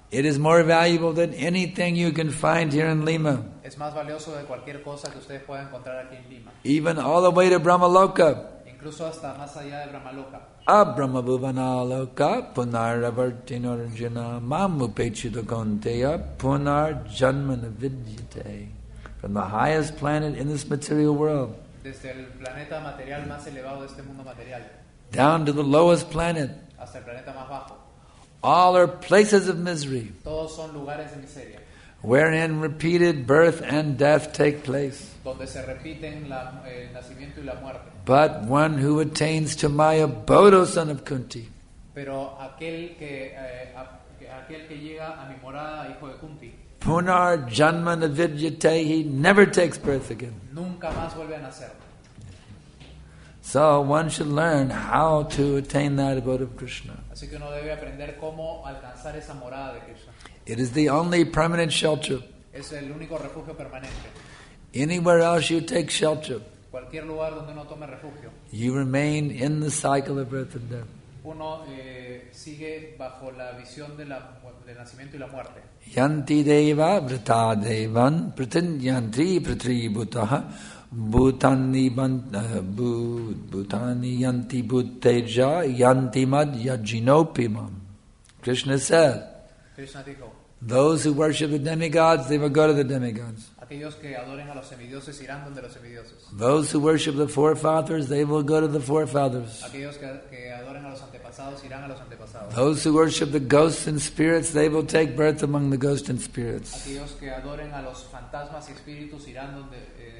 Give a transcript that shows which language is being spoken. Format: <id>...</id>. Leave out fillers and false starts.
<en>It is more valuable than anything you can find here in Lima.</en> <es>Es más valioso de cualquier cosa que ustedes puedan encontrar aquí en Lima.</es> <en>Even all the way to Brahmaloka.</en> <es>Incluso hasta más allá de Brahmaloka.</es> <sa>Abrahma bhuvanaloka punaravartin arjuna mam upechita kaunteya punar janmana vidyate.</sa> <en>From the highest planet in this material world.</en> <es>Desde el planeta material más elevado de este mundo material.</es> <en>Down to the lowest planet.</en> <es>Hasta el planeta más bajo.</es> <en>All are places of misery.</en> <es>Todos son lugares de miseria.</es> <en>Wherein repeated birth and death take place.</en> <es>Donde se repiten el nacimiento y la muerte.</es> <en>But one who attains to my abode, O son of Kunti.</en> <es>Pero aquel que llega a mi morada, hijo de Kunti.</es> <sa>Punar janma navidyate,</sa> <en>he never takes birth again.</en> <es>Nunca más vuelve a nacer.</es> <en>So one should learn how to attain that abode of Krishna.</en> <es>Así que uno debe aprender cómo alcanzar esa morada de Krishna.</es> <en>It is the only permanent shelter.</en> <es>Es el único refugio permanente.</es> <en>Anywhere else you take shelter,</en> <es>cualquier lugar donde uno tome refugio,</es> <en>you remain in the cycle of birth and death.</en> <es>Uno sigue bajo la visión de nacimiento y la muerte.</es> <sa>Yanti deva vrita devan pritin yantri pritri bhutaha Bhutani yanti bhuteja yanti mad yajinopimam.</sa> <en>Krishna said,</en> <es>Krishna dijo,</es> <en>those who worship the demigods, they will go to the demigods.</en> <es>Aquellos que adoren a los semidioses irán donde los semidioses.</es> <en>Those who worship the forefathers, they will go to the forefathers.</en> <es>Aquellos que adoren a los antepasados irán a los antepasados.</es> <en>Those who worship the ghosts and spirits, they will take birth among the ghosts and spirits.</en> <es>Aquellos que adoren a los fantasmas y espíritus irán donde</es>